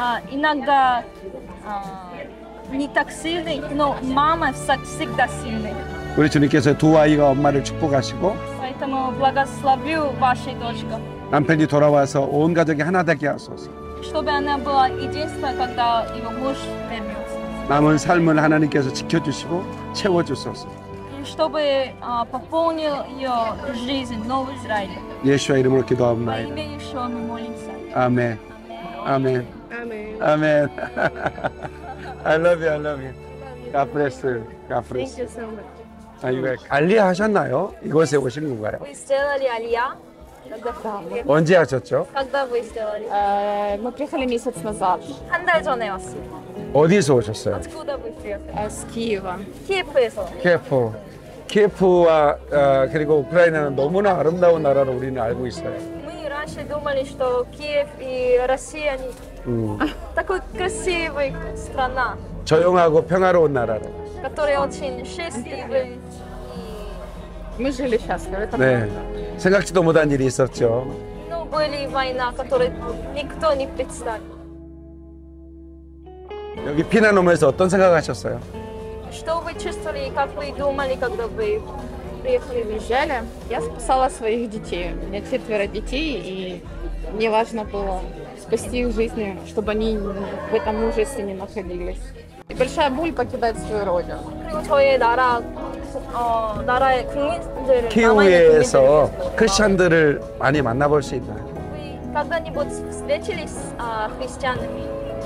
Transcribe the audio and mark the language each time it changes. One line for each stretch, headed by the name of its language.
Russian: Иногда не так сильный, но мама всегда сильный.
Korean: 우리 주님께서 두 아이가 엄마를 축복하시고.
Russian: Поэтому благословлю вашей дочка.
Korean: 남편이 돌아와서 온 가족이 하나 되게 하소서.
Russian: Чтобы она была единственной, когда его муж вернется.
Korean: 남은 삶을 하나님께서 지켜주시고 채워주소서.
Russian: Чтобы пополнил ее жизнь, новый Израиль.
Korean: Иешуа иремур кидо
Russian: амнай. Во имя Иешуа мы молимся. Амен. Амен. Амен.
English: Амен. I love you, I love you. God bless you. God bless you. Thank
Korean: you so much. 아, 이거 알리아 하셨나요? 이곳에 오신 건가요?
English: We still Алия.
Korean: 언제 하셨죠?
Russian: Когда вы сделали? Мы приехали месяц назад.
Korean: 한 달 전에 왔어요. 어디서 오셨어요?
Russian: Откуда вы приехали? С Киева.
Korean: Киев에서.
Russian: Киев.
Korean: 키프와 그리고 우크라이나는 너무나 아름다운 나라로 우리는 알고 있어요.
Russian: Мы раньше думали, что Киев и Россия они такой красивый страна.
Korean: 조용하고 평화로운 나라로.
Russian: Которые очень счастливы. Мы жили счастливо.
Korean: 네. 생각지도 못한 일이 있었죠.
Russian: Но были война, которую никто не представил.
Korean: 여기 피난 오면서 어떤 생각하셨어요?
Russian: Что вы чувствовали, как вы думали, когда вы приехали в Израиль? Я спасала своих детей. У меня четверо детей, и мне важно было спасти их жизни, чтобы они в этом ужасе не находились. И большая боль покидать свою родину.
Korean: 그리고 저희 나라, 나라의 국민들을 키우에서 크리스천들을 많이 만나볼 수 있다.
Russian: Вы когда-нибудь встретились с христианами?